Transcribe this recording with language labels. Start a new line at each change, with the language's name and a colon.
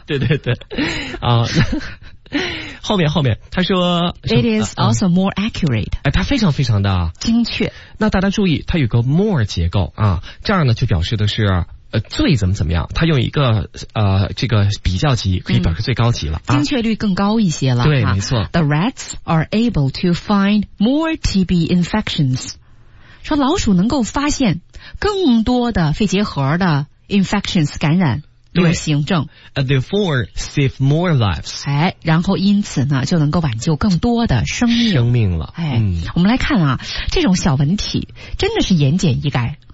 Chinese: 对对对，啊，后面他说
English: ，It is also more accurate。
Chinese: 哎，它非常非常的精确。那大家注意，它有个 more 结构啊，这样呢就表示的是最怎么怎么样。它用一个这个比较级可以表示最高级了、嗯啊，精确率更高一些了。对，没错。
English: The rats are able to find more TB infections。
Chinese: 说老鼠能够发现更多的肺结核的。 infections 感染流行症
English: therefore save more lives、
Chinese: 哎、然后因此呢就能够挽救更多的生命了、哎嗯、我们来看啊，这种小文体真的是言简意赅、啊